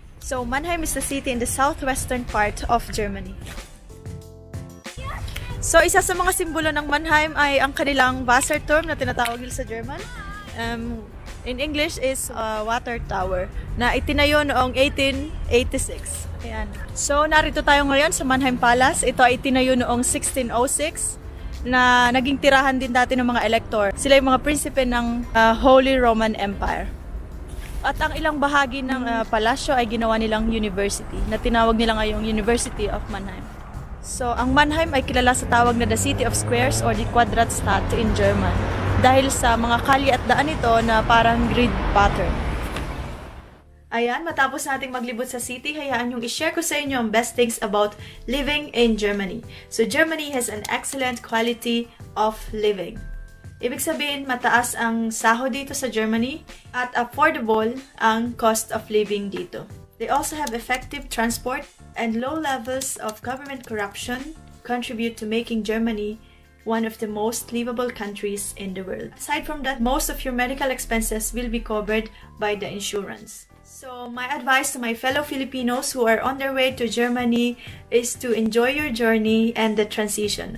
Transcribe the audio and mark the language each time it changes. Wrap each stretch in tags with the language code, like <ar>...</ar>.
<en>So, Mannheim is the city in the southwestern part of Germany.</en> <tl>So, isa sa mga simbolo ng Mannheim ay ang kanilang Wasserturm na tinatawag nila sa German.</tl> <en>In English is Water Tower</en> <tl>na itinayo noong 1886. Ayan. So narito tayo ngayon sa Mannheim Palace. Ito ay itinayo noong 1606 na naging tirahan din dati ng mga elector. Sila yung mga prinsipe ng Holy Roman Empire. At ang ilang bahagi ng palasyo ay ginawa nilang university na tinawag nila ngayong University of Mannheim. So ang Mannheim ay kilala sa tawag na the City of Squares or the Quadratstadt in German. Dahil sa mga kalye at daan ito na parang grid pattern. Ayan, matapos nating maglibot sa city, hayaan yung i-share ko sa inyo ang best things about living in Germany.</tl> <en>So Germany has an excellent quality of living.</en> <tl>Ibig sabihin, mataas ang sahod dito sa Germany at affordable ang cost of living dito.</tl> <en>They also have effective transport and low levels of government corruption contribute to making Germany one of the most livable countries in the world. Aside from that, most of your medical expenses will be covered by the insurance. So my advice to my fellow Filipinos who are on their way to Germany is to enjoy your journey and the transition.</en>